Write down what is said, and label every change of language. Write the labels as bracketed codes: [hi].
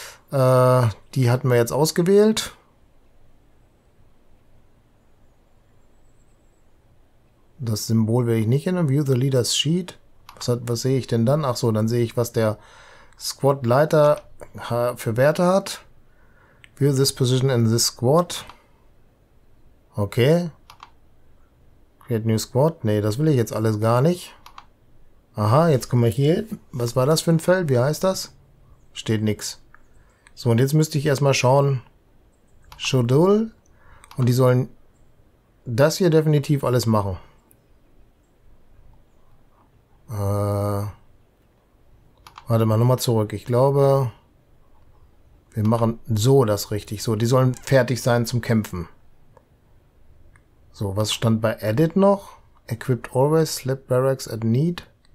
[de] Die hatten wir jetzt ausgewählt. Das Symbol will ich nicht ändern. [en] View the leader's sheet. [de] Was sehe ich denn dann? Achso, dann sehe ich, was der Squad-Leiter für Werte hat. [en] View this position in this squad. Okay. Create New Squad? [de] Nee, das will ich jetzt alles gar nicht. Aha, jetzt kommen wir hier hin. Was war das für ein Feld? Wie heißt das? Steht nix. So, und jetzt müsste ich erstmal schauen. Schedule. Und die sollen das hier definitiv alles machen. Warte mal, nochmal zurück. Ich glaube, wir machen so das richtig. So, die sollen fertig sein zum Kämpfen. So, was stand bei Edit noch? [en] Equipped always, sleep barracks at need.